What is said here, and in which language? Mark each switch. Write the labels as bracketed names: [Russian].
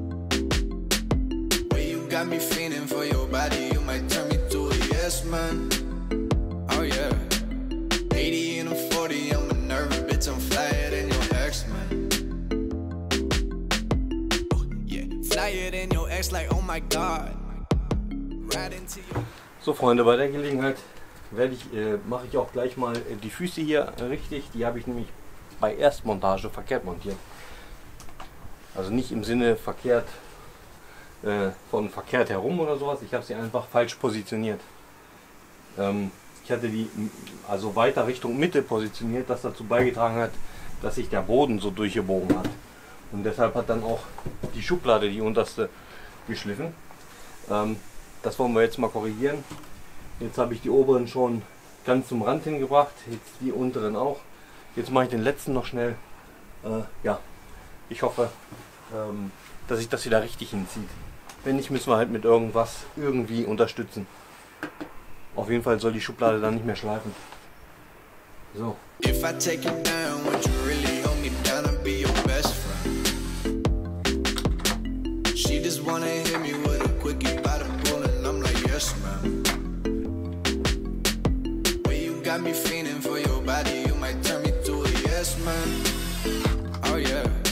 [English] Well, you got me feeling for your body, you might turn me to a yes man. Oh yeah. 80 and a 40, I'm a nervous bitch, I'm flyer than your ex, man. Oh, yeah, flyer than your ex, like, oh my god. Right into your... [German] So, Freunde, bei der Gelegenheit mache ich auch gleich mal die Füße hier richtig. Die habe ich nämlich bei Erstmontage verkehrt montiert. Also nicht im Sinne verkehrt, von verkehrt herum oder sowas. Ich habe sie einfach falsch positioniert. Ich hatte die also weiter Richtung Mitte positioniert, das dazu beigetragen hat, dass sich der Boden so durchgebogen hat. Und deshalb hat dann auch die Schublade die unterste geschliffen. Das wollen wir jetzt mal korrigieren. Jetzt habe ich die oberen schon ganz zum Rand hingebracht, jetzt die unteren auch. Jetzt mache ich den letzten noch schnell. Ja, ich hoffe, dass sich das wieder richtig hinzieht. Wenn nicht, müssen wir halt mit irgendwas irgendwie unterstützen. Auf jeden Fall soll die Schublade dann nicht mehr schleifen. So. [English] If I take you down, would you really hold me down and be your best friend? She just wanna hit me with a quickie by the pool and I'm like, yes, ma'am. Well, you got me feeling for your body, you might turn me to a yes, man. Oh, yeah.